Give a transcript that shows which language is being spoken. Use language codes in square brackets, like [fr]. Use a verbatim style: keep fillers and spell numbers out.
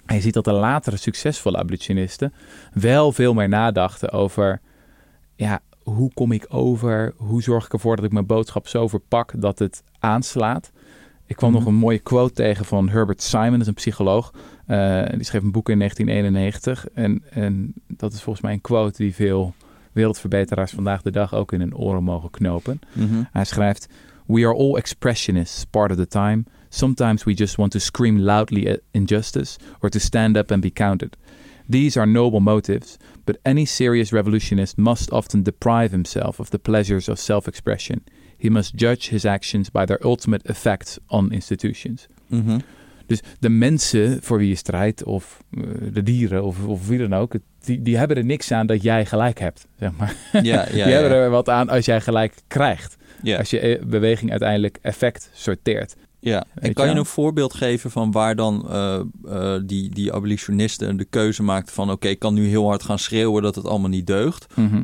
[nl] En je ziet dat de latere succesvolle abolitionisten wel veel meer nadachten over, ja, hoe kom ik over? Hoe zorg ik ervoor dat ik mijn boodschap zo verpak dat het aanslaat? Ik kwam mm-hmm. nog een mooie quote tegen van Herbert Simon, dat is een psycholoog. Uh, die schreef een boek in negentien eenennegentig. En, en dat is volgens mij een quote die veel wereldverbeteraars vandaag de dag ook in hun oren mogen knopen. [en] Mm-hmm. [nl] Hij schrijft: [en] "We are all expressionists part of the time. Sometimes we just want to scream loudly at injustice or to stand up and be counted. These are noble motives, but any serious revolutionist must often deprive himself of the pleasures of self-expression. He must judge his actions by their ultimate effects on institutions." Mm-hmm. [nl] Dus de mensen voor wie je strijdt, of uh, de dieren, of, of wie dan ook, die, die hebben er niks aan dat jij gelijk hebt, zeg maar. Ja, ja, die ja, hebben er ja. wat aan als jij gelijk krijgt. Ja. Als je beweging uiteindelijk effect sorteert. Ja, en Weet kan je, je een voorbeeld geven van waar dan uh, uh, die, die abolitionisten de keuze maakten van... oké, okay, ik kan nu heel hard gaan schreeuwen dat het allemaal niet deugt... Mm-hmm.